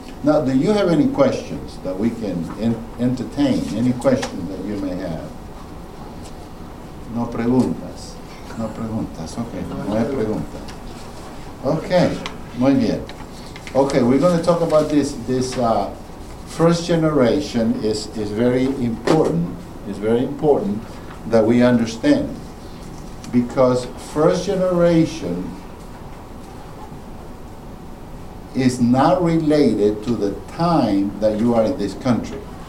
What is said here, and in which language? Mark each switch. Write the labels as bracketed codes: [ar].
[en] Now, do you have any questions that we can entertain? Any questions that you may have? [es] No preguntas. No preguntas. Okay. No hay preguntas. Okay, muy bien. [en] Okay, we're going to talk about this. This first generation is very important. It's very important that we understand. Because first generation is not related to the time that you are in this country.